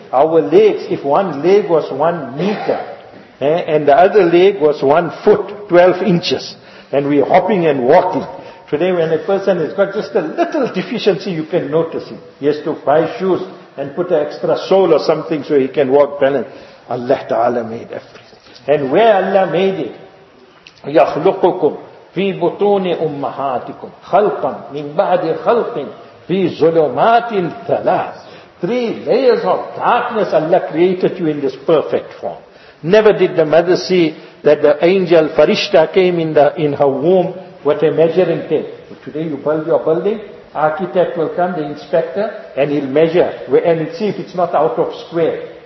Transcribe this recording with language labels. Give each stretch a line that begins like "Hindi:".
English: Our legs, if one leg was 1 meter, and the other leg was 1 foot, 12 inches, and we're hopping and walking. Today when a person has got just a little deficiency, you can notice it. He has to buy shoes and put an extra sole or something so he can walk balanced. Allah Ta'ala made everything. And where Allah made it,
Arabic: يَخْلُقُكُمْ فِي بُطُونِ أُمَّهَاتِكُمْ خَلْقًا مِنْ بَعْدِ خَلْقٍ فِي ظُلُمَاتٍ ثَلَاثٍ.
English: 3 layers of darkness Allah created you in this perfect form. Never did the mother see that the angel Farishta came in her womb with a measuring tape. Today you build your building, architect will come, the inspector, and he'll measure and see if it's not out of square.